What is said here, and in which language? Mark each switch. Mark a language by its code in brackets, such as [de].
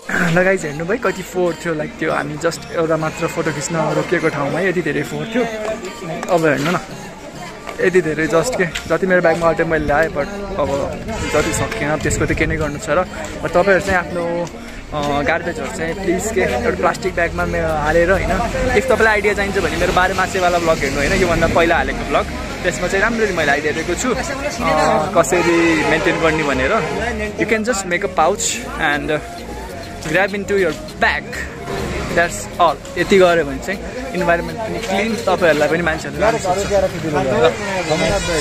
[ne] लगाइज हेर्नु भाइ कति फोहोर थियो, लाइक त्यो हामी जस्ट एउटा मात्र फोटो खिच्न रोकिएको ठाउँमा यति धेरै फोहोर थियो, अब हेर्नु न यति धेरै जस्ट के जति मेरो ब्यागमा अटे मैले ल्याएँ, बट अब जति सकेन त्यसको त केही नै गर्नु छ र तपाईँहरू चाहिँ आफ्नो गार्बेजहरू चाहिँ प्लिज के एउटा प्लास्टिक ब्यागमा हालेर होइन, इफ तपाईँलाई आइडिया चाहिन्छ भने मेरो 12 मासेवाला ब्लग हेर्नु होइन, योभन्दा पहिला हालेको ब्लग, त्यसमा चाहिँ राम्ररी मैले आइडिया दिएको छु कसरी मेन्टेन गर्ने भनेर। [en] You can just make a pouch and grab in to your bag, that's all. [ne] यति गऱ्यो भने चाहिँ इन्भाइरोमेन्ट पनि क्लिन, तपाईँहरूलाई पनि मान्छेहरू गर्न सक्छ।